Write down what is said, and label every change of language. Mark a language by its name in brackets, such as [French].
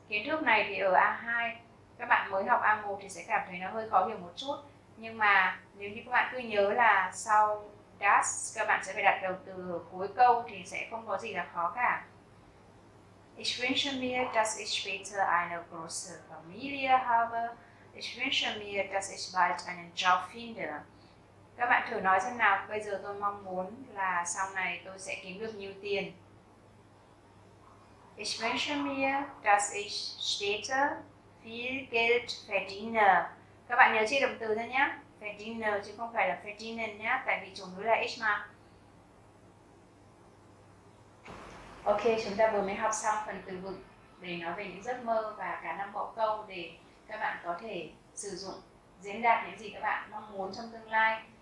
[Vietnamese] Kiến thức này thì ở A2, các bạn mới học A1 thì sẽ cảm thấy nó hơi khó hiểu một chút. Nhưng mà nếu như các bạn cứ nhớ là sau das các bạn sẽ phải đặt đầu từ cuối câu thì sẽ không có gì là khó cả. [German] Ich wünsche mir, dass ich später eine große Familie habe. Ich wünsche mir, dass ich bald einen Job finde. [Vietnamese] Các bạn thử nói xem nào, bây giờ tôi mong muốn là sau này tôi sẽ kiếm được nhiều tiền. [German] Ich wünsche mir, dass ich später viel Geld verdiene. [Vietnamese] Các bạn nhớ chia động từ thôi nhé. Verdiene chứ không phải là verdienen nhé, tại vì chủ ngữ là ich mà. Ok, chúng ta vừa mới học xong phần từ vựng để nói về những giấc mơ và cả năm mẫu câu để các bạn có thể sử dụng diễn đạt những gì các bạn mong muốn trong tương lai.